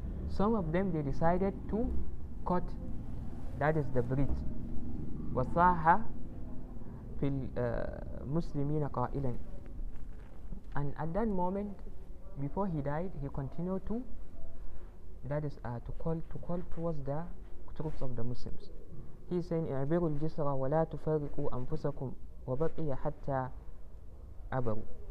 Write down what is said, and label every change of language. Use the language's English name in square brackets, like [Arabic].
[English] Some of them they decided to cut, that is the bridge. [Arabic] وصاها في المسلمين قائلا. [English] And at that moment, before he died, he continued to, that is to call towards the troops of the Muslims. He is saying, "اعبروا الجسر ولا تفرقوا أنفسكم وبقي حتى عبروا."